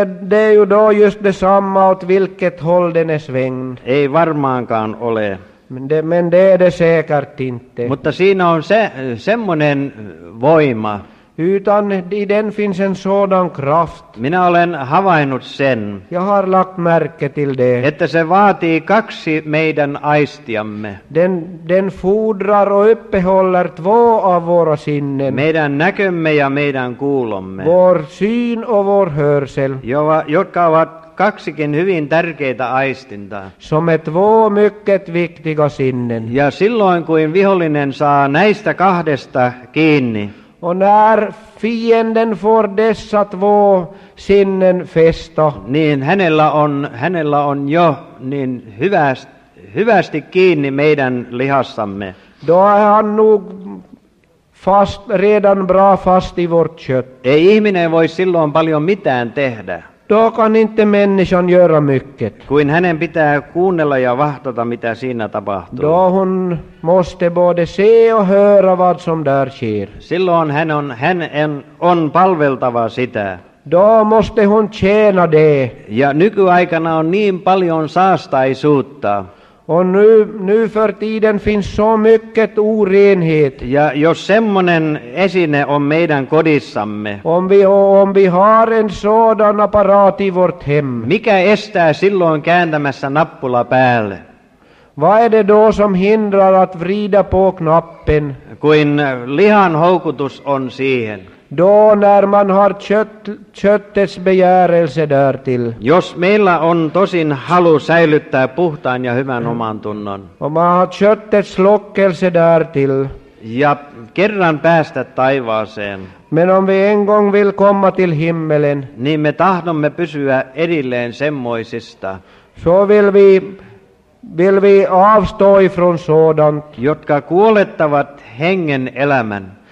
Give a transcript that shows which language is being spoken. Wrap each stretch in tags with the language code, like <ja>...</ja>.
<sv>Det är ju då just detsamma åt vilket håll den är svängd.</sv> <fi>Ei varmaankaan ole.</fi> <sv>Men det är det säkert inte.</sv> <fi>Mutta siinä on semmonen voima.</fi> <sv>Utan i den finns en sådan kraft.</sv> <fi>Minä olen havainnut sen.</fi> <sv>Jag har lagt märke till det.</sv> <fi>Että se vaatii kaksi meidän aistiamme.</fi> <sv>Den fordrar och uppehåller två av våra sinnen.</sv> <fi>Meidän näkömme ja meidän kuulomme.</fi> <sv>Vår syn och vår hörsel.</sv> <fi>Jotka ovat kaksikin hyvin tärkeitä aistintaa.</fi> <sv>Som är två mycket viktiga sinnen.</sv> <fi>Ja silloin kuin vihollinen saa näistä kahdesta kiinni.</fi> <sv>Och när fienden får dessa två sinnen fästa,</sv> <fi>niin hänellä on jo niin hyvästi kiinni meidän lihassamme.</fi> <sv>Då är han nog fast, redan bra fast i vårt kött.</sv> <fi>Ei ihminen voi silloin paljon mitään tehdä.</fi> <sv>Då kan inte människan göra mycket.</sv> <fi>Kuin hänen pitää kuunnella ja vahtata, mitä siinä tapahtuu.</fi> <sv>Då hon måste både se och höra vad som där sker.</sv> <fi>Silloin hän on palveltava sitä.</fi> <sv>Då måste hon tjäna det.</sv> <fi>Ja nykyaikana on niin paljon saastaisuutta.</fi> <sv>Och nu för tiden finns så mycket orenhet.</sv> <fi>Ja jos semmonen esine on meidän kodissamme.</fi> <sv>Om vi har en sådan apparat i vårt hem.</sv> <fi>Mikä estää silloin kääntämässä nappula päälle?</fi> <sv>Vad är det då som hindrar att vrida på knappen?</sv> <fi>Kuin lihan houkutus on siihen.</fi> <sv>Då när man har köttets begärelse därtill.</sv> <fi>Jos meillä on tosin halu säilyttää puhtaan ja hyvän oman tunnon.</fi> <sv>Man har köttets lockelse därtill.</sv> <fi>Ja kerran päästä taivaaseen.</fi> <sv>Men om vi en gång vill komma till himmelen.</sv> <fi>Niin me tahdomme pysyä erilleen semmoisista.</fi> <sv>Så vill vi avstå ifrån sådant.</sv> <fi>Jotka kuolettavat hengen elämän.</fi>